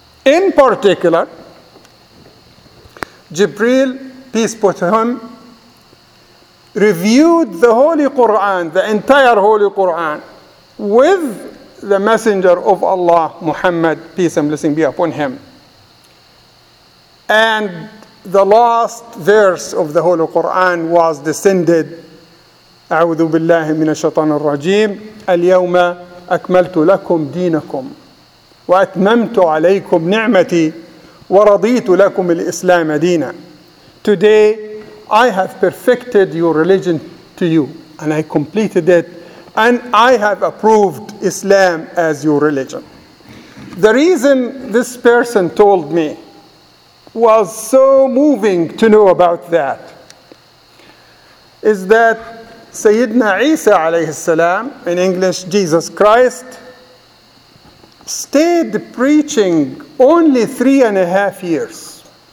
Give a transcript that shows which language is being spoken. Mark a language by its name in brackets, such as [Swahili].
[English] In particular, Jibreel, peace be upon him, reviewed the Holy Quran, the entire Holy Quran, with the Messenger of Allah, Muhammad, peace and blessing be upon him. And the last verse of the Holy Quran was descended. [Arabic] أعوذ بالله من الشيطان الرجيم اليوم أكملت لكم دينكم وأتممت عليكم نعمتي ورضيت لكم الإسلام دينا. [English] Today I have perfected your religion to you, and I completed it, and I have approved Islam as your religion. The reason this person told me was so moving to know about that is that Sayyidina Isa alayhi salam, in English Jesus Christ, stayed preaching only 3.5 years.